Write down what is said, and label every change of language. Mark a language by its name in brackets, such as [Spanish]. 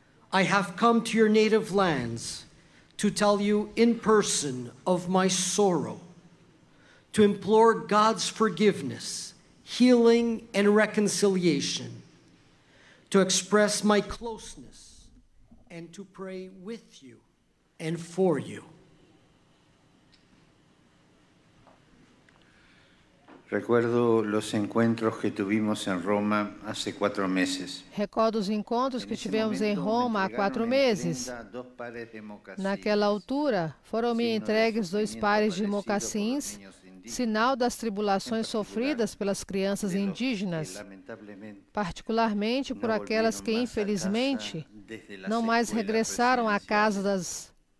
[English] I have come to your native lands to tell you in person of my sorrow, to implore God's forgiveness, healing, and reconciliation, to express my closeness, and to pray with you and for you. [Spanish] Recuerdo los encuentros que tuvimos en Roma hace 4 meses. [Portuguese] Recordo os encontros que tivemos em Roma há 4 meses. Naquela altura, foram me entregues 2 pares de mocassins, sinal das tribulações sofridas pelas crianças indígenas, particularmente por aquelas que, infelizmente, não mais regressaram à casa das